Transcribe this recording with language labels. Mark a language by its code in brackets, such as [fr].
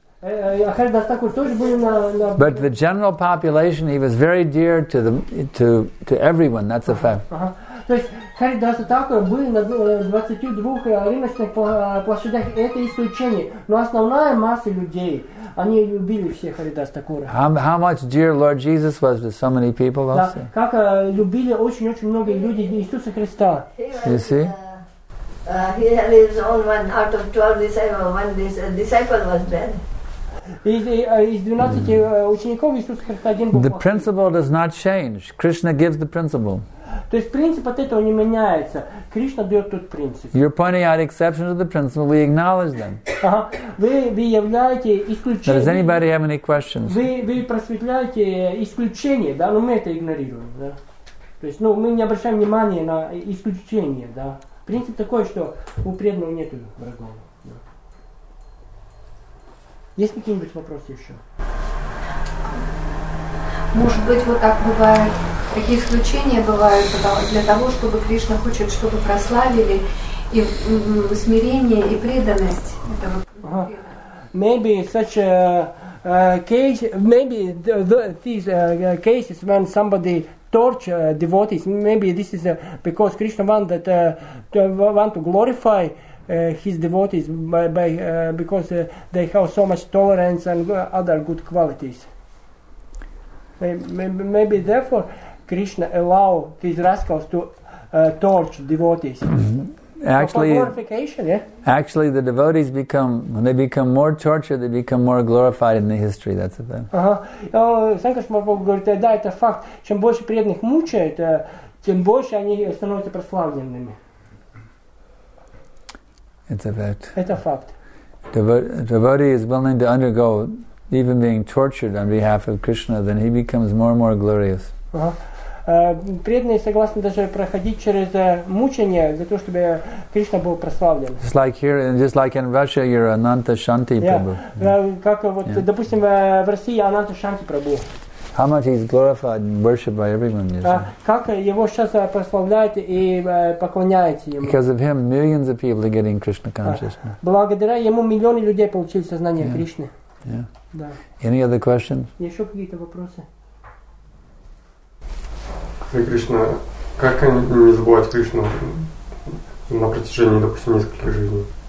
[en] But the general population, he was very dear to the to everyone. That's a fact. [ru] То есть Харидаса Такур был на 22 рыночных площадях. Это исключение. Но основная масса людей, они любили всех Харидаса Такура. [en] How much dear Lord Jesus was to so many people also? [ru] Как любили очень очень многие люди Иисуса Христа. [en] You see. He had his own one out of 12 disciples. One disciple was dead. [ru] Из 12 учеников Иисуса Христа один был. [en] The principle does not change. Krishna gives the principle. [ru] То есть принцип от этого не меняется. Кришна дает тот принцип. [en] You're pointing out exceptions to the principle. We acknowledge them. [ru] Вы являете исключение. [en] Does anybody have any questions? [ru] Вы просветляете исключение, да? Но мы это игнорируем, да? То есть, ну, мы не обращаем внимания на исключение, да? Принцип такой, что у преданного нет врагов. Да. Есть какие-нибудь вопросы еще? Может быть, вот так бывает. Такие исключения бывают для того, чтобы Кришна хочет, чтобы прославили и смирение, и преданность этого. [en] Maybe such a case, maybe these cases when somebody torch devotees, maybe this is because Krishna want that want to glorify his devotees by because they have so much tolerance and other good qualities. Maybe therefore Krishna allow these rascals to torch devotees. Mm-hmm. Actually, for glorification, yeah? Actually, the devotees become, when they become more tortured, they become more glorified in the history. That's the thing. [ru] Sankarsma Prabhupada говорит, да, это факт. Чем больше преданных мучают, тем больше они становятся прославленными. [en] It's a fact. [ru] Это факт. [en] Devotee is willing to undergo even being tortured on behalf of Krishna, then he becomes more and more glorious. [ru] Преданные согласны даже проходить через мучения для того, чтобы Кришна был прославлен. [en] Just like here, just like in Russia, you're Ananta Shanti Prabhu. [ru] Как вот, допустим, в России Ананта Шанти Прабху. [en] How much he's glorified and worshipped by everyone, you see. [ru] Как его сейчас прославляют и поклоняются ему. [en] Because of him, millions of people are getting Krishna consciousness. [ru] Благодаря ему миллионы людей получили сознание Кришны. [en] Yeah. Any other questions? [ru] Еще какие-то вопросы? Кришна, как не забывать Кришну на протяжении, допустим, нескольких жизней?